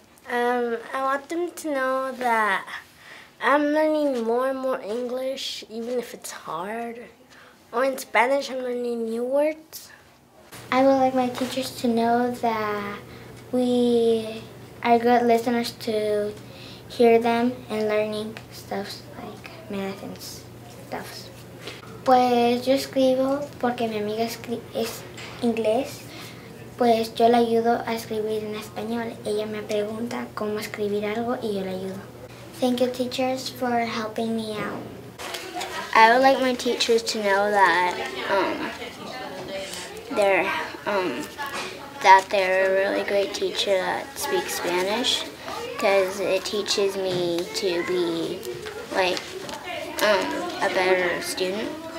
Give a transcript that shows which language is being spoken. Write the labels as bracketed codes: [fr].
[en] I want them to know that I'm learning more and more English, even if it's hard. Or in Spanish, I'm learning new words. I would like my teachers to know that we are good listeners to hear them and learning stuff like math and stuff. [es] Pues yo escribo porque mi amiga es inglés. Pues yo le ayudo a escribir en español. Ella me pregunta cómo escribir algo y yo le ayudo. [en] Thank you, teachers, for helping me out. I would like my teachers to know that they're a really great teacher that speaks Spanish, because it teaches me to be like a better student.